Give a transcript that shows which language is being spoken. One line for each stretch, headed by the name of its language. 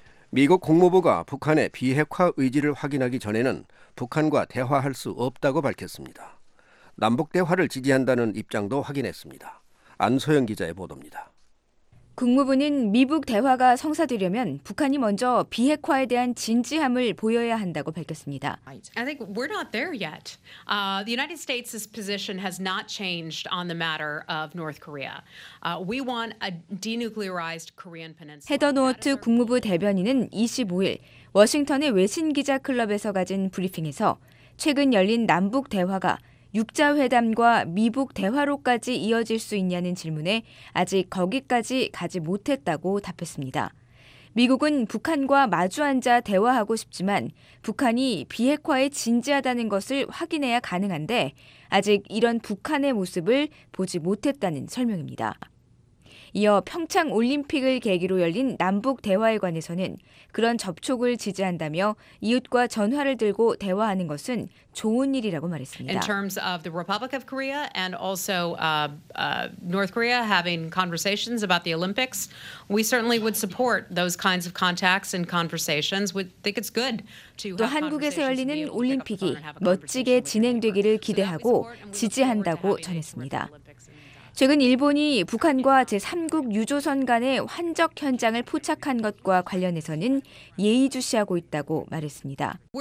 Korean: 미국 국무부가 북한의 비핵화 의지를 확인하기 전에는 북한과 대화할 수 없다고 밝혔습니다. 남북 대화를 지지한다는 입장도 확인했습니다. 안소영 기자의 보도입니다. 국무부는 미북 대화가 성사되려면 북한이 먼저 비핵화에 대한 진지함을 보여야 한다고 밝혔습니다.
English: I think we're not there yet. The United States' position has not changed on the matter of North Korea. We want a denuclearized Korean peninsula.
Korean: 헤더 노어트 국무부 대변인은 25일 워싱턴의 외신 기자 클럽에서 가진 브리핑에서 최근 열린 남북 대화가 육자회담과 미북 대화로까지 이어질 수 있냐는 질문에 아직 거기까지 가지 못했다고 답했습니다. 미국은 북한과 마주앉아 대화하고 싶지만 북한이 비핵화에 진지하다는 것을 확인해야 가능한데 아직 이런 북한의 모습을 보지 못했다는 설명입니다. 이어 평창올림픽을 계기로 열린 남북 대화에 관해서는 그런 접촉을 지지한다며 이웃과 전화를 들고 대화하는 것은 좋은 일이라고 말했습니다.
English: In terms of the Republic of Korea and also North Korea having conversations about the Olympics, we certainly would support those kinds of contacts and conversations. We think it's good to have.
Korean: 또 한국에서 열리는 올림픽이 멋지게 진행되기를 기대하고 지지한다고 전했습니다. 최근 일본이 북한과 제3국 유조선 간의 환적 현장을 포착한 것과 관련해서는 예의주시하고 있다고 말했습니다.